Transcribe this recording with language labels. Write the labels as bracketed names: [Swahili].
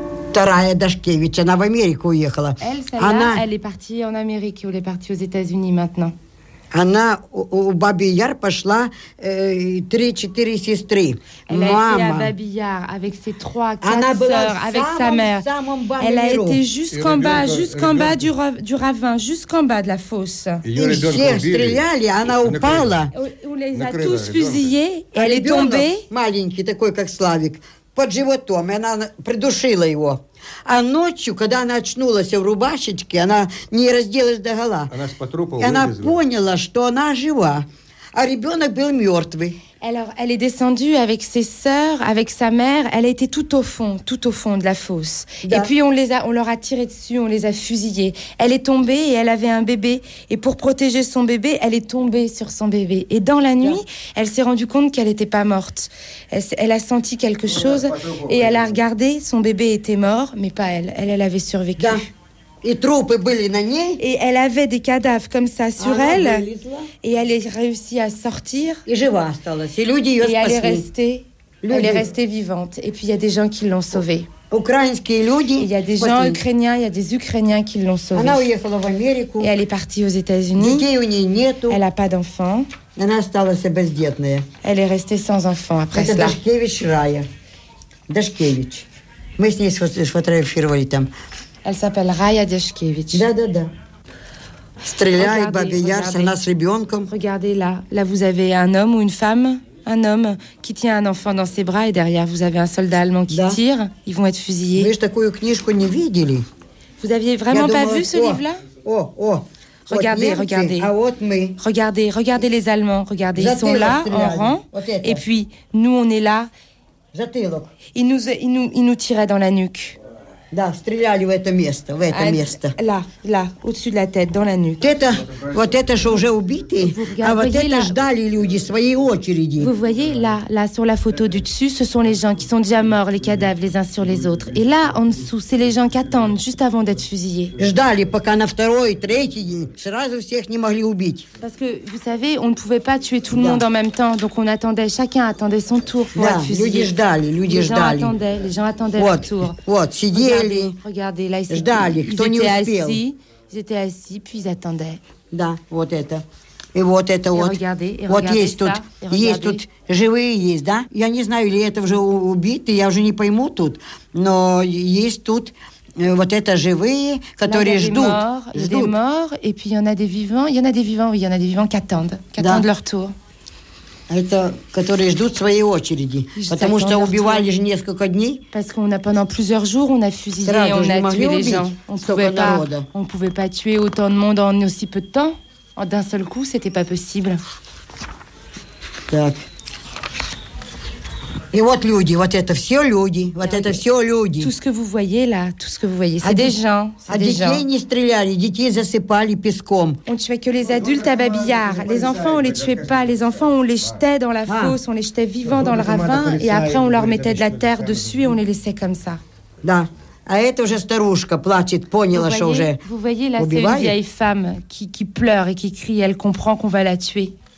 [Russian] Вторая Дашкевич, она в Америку уехала. Эльса, она... [French] Elle est partie en Amérique, elle est partie aux États-Unis maintenant. [Russian] Она у Баби Яр пошла три-четыре сестры. [French] Elle [Russian] Мама. [French] A été à Баби Яр avec ses trois, quatre sœurs, avec sa mère. Elle a été jusqu'en bas, jusqu'en bas du ravin, jusqu'en bas de la fosse. Ils [Russian] все стреляли, она упала. [French] On les a tous fusillés, elle est tombée. [Russian] Маленький такой, как Славик, под животом, она придушила его. А ночью, когда она очнулась в рубашечке, она не разделась догола. Она с потрупа вылезла. И она поняла, что она жива, а ребенок был мертвый. [French] Alors, elle est descendue avec ses sœurs, avec sa mère. Elle était tout au fond de la fosse. [Russian] Да. [French] Et puis, on leur a tiré dessus, on les a fusillés. Elle est tombée et elle avait un bébé. Et pour protéger son bébé, elle est tombée sur son bébé. Et dans la nuit, [Russian] да. [French] Elle s'est rendue compte qu'elle n'était pas morte. Elle a senti quelque chose et elle a regardé. Son bébé était mort, mais pas elle. Elle avait survécu. [Russian] Да. [French] Et [Russian] трупы были на ней. [French] Et elle avait des cadavres comme ça sur elle. Et elle a réussi à sortir. Et жива осталась. Et люди её спасли. Et elle est restée. Elle est restée vivante. Et puis il y a des gens qui l'ont sauvée. [Russian] Украинские люди. [French] Il y a des gens ukrainiens. Il y a des Ukrainiens qui l'ont sauvée. [Russian] Она уехала в Америку. [French] Et elle est partie aux États-Unis. [Russian] Детей у неё нету. [French] Elle a pas d'enfants. [Russian] Она осталась бездетная. [French] Elle est restée sans enfants après cela. [Russian] Это Дашкевич Рая. Дашкевич. Мы с ней сфотографировали там. [French] Elle s'appelle Raya Dashkevich. [Russian] Да, да, да. Стреляет Баби Яр, она с ребенком. [French] Regardez là. Là, vous avez un homme ou une femme. Un homme qui tient un enfant dans ses bras. Et derrière, vous avez un soldat allemand qui tire. Ils vont être fusillés. [Russian] Вы же такую книжку не видели. [French] Vous aviez vraiment pas vu ce livre-là? О. Regardez, regardez. [Russian] А вот мы. [French] Regardez, regardez les Allemands. Regardez, ils sont là, en rang. Et puis, nous, on est là. [Russian] Затылок. [French] Ils nous tiraient dans la nuque. [Russian] Да, стреляли в это место, в это место. [French] Là, au-dessus de la tête, dans la nuque. [Russian] Вот это, что уже убиты, а вот это ждали люди своей очереди. [French] Vous voyez, là, sur la photo du dessus, ce sont les gens qui sont déjà morts, les cadavres, les uns sur les autres. Et là, en dessous, c'est les gens qui attendent, juste avant d'être fusillés. [Russian] Ждали, пока на второй, третий день, сразу всех не могли убить. [French] Parce que, vous savez, on ne pouvait pas tuer tout le monde en même temps, donc on attendait, chacun attendait son tour pour être fusillé. [Russian] Люди ждали, люди ждали. [French] Les gens attendaient leur tour. [Russian] Вот, сидели. [French] Regardez, là, ils étaient assis, puis ils attendaient. [Russian] Да, вот это. [French] Et [Russian] вот это вот. [French] Regardez, [Russian] вот есть тут живые есть, да? Я не знаю, или это уже убиты, я уже не пойму тут. Но есть тут вот это живые, которые ждут. [French] Là, il y a des morts, et puis il y en a des vivants qui attendent leur tour. [Russian] Это которые ждут своей очереди, потому что убивали же несколько дней. [French] Parce qu'on a pendant plusieurs jours on a fusillé, on a tué les gens. On pouvait pas tuer autant de monde en aussi peu de temps. En d'un seul coup, c'était pas possible. [Russian] Так. И вот люди, вот это все люди, вот это все люди. [French] Tout ce que vous voyez là, tout ce que vous voyez, c'est des gens. [Russian] А детей не стреляли, детей засыпали песком. [French] On ne tuait que les adultes à Баби Яр. Les enfants, on ne les tuait pas. Les enfants, on les jetait dans la fosse, on les jetait vivants dans le ravin, et après, on leur mettait de la terre dessus et on les laissait comme ça. [Russian] Да. А это уже старушка плачет, поняла, что уже убивали. [French] Vous voyez, là, c'est une vieille femme qui pleure et qui crie. Elle comprend qu'on va la tuer.